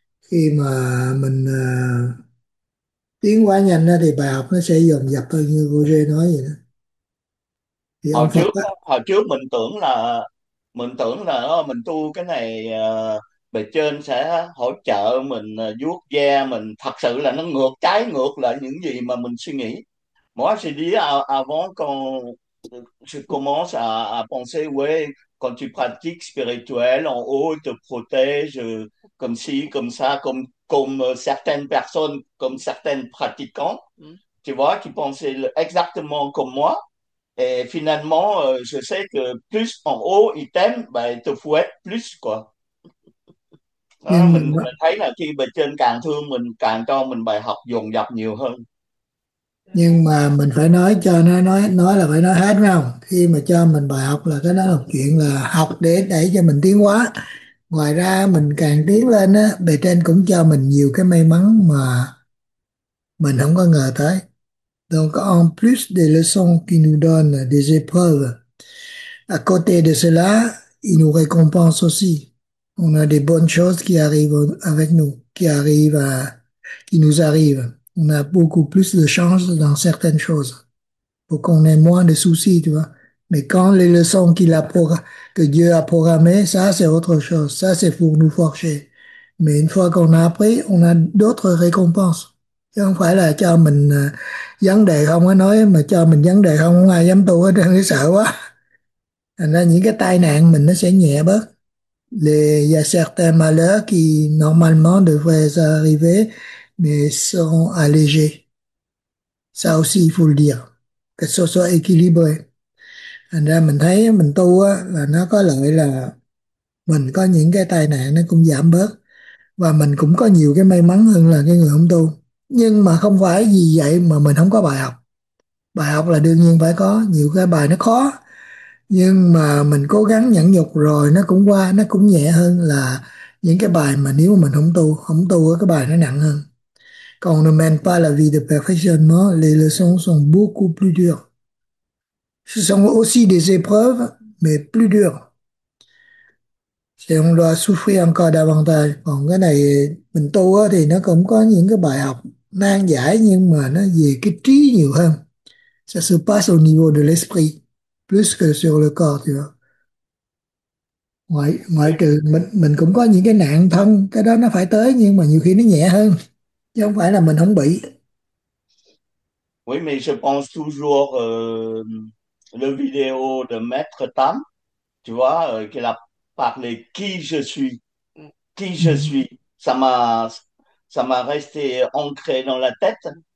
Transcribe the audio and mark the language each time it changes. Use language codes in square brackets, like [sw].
[vi] Khi mà mình tiến quá nhanh đó thì bài học nó sẽ dồn dập hơn như cô Rê nói vậy đó. Thì ông Hồi Phật trước á, mình tưởng là mình tu cái này bề trên sẽ hỗ trợ mình, vuốt ve mình. Thật sự là nó ngược, trái ngược lại những gì mà mình suy nghĩ. [fr] Moi je dis avant quand je commence à penser, ouais, quand tu pratiques spirituel en haut, te protège, comme ci, comme ça, comme certaines personnes, comme certaines pratiquantes. Tu vois, tu pensais exactement comme moi. Et finalement, je sais que plus en haut il t'aime, bah, il te fouette plus, quoi. [vi] Đó, nhưng mình thấy là khi bề trên càng thương mình, càng cho mình bài học dồn dập nhiều hơn. nhưng mà mình phải nói cho nó, nói là phải nói hết, phải không? Khi mà cho mình bài học là cái đó là một chuyện, là học để cho mình tiến hóa. Ngoài ra mình càng tiến lên á, bề trên cũng cho mình nhiều cái may mắn mà mình không có ngờ tới. [fr] Donc en plus des leçons qu'il nous donne, des épreuves, à côté de cela, il nous récompense aussi. On a des bonnes choses qui arrivent avec nous, qui nous arrivent. On a beaucoup plus de chance dans certaines choses. Faut qu'on ait moins de soucis, tu vois. Mais quand les leçons que Dieu a programmées, ça, c'est autre chose. Ça, c'est pour nous forger. Mais une fois qu'on a appris, on a d'autres récompenses. [vi] Chứ không phải là cho mình vấn đề không có nói, mà cho mình vấn đề không có ai dám tu hết trơn, sợ quá. Thành ra những cái tai nạn mình nó sẽ nhẹ bớt. [fr] Il y a certains malheurs qui normalement devraient arriver, mais seront allégés. Ça aussi, il faut le dire. Que ce soit équilibré. [vi] Thành ra mình thấy mình tu á, là nó có lợi là mình có những cái tai nạn nó cũng giảm bớt. Và mình cũng có nhiều cái may mắn hơn là cái người không tu. Nhưng mà không phải vì vậy mà mình không có bài học. Bài học là đương nhiên phải có. Nhiều cái bài nó khó. Nhưng mà mình cố gắng nhẫn nhục rồi nó cũng qua, nó cũng nhẹ hơn là những cái bài mà nếu mà mình không tu cái bài nó nặng hơn. [fr] Còn ne mène pas la vie de perfectionnement, les leçons sont beaucoup plus dures. Ce sont aussi des épreuves, mais plus dures. Et on doit souffrir encore davantage. [vi] Còn cái này mình tu thì nó cũng có những cái bài học nan giải, nhưng mà nó về cái trí nhiều hơn. [fr] Ça se passe au niveau de l'esprit. Plus que sur le corps, tu vois. [vi] Ngoại trừ mình cũng có những cái nạn thân, cái đó nó phải tới, nhưng mà nhiều khi nó nhẹ hơn, chứ không phải là mình không bị. [fr] Oui, mais je pense toujours le vidéo de Maître Tam, tu vois, qu'il a parlé qui je suis, ça m'a resté ancré dans la tête.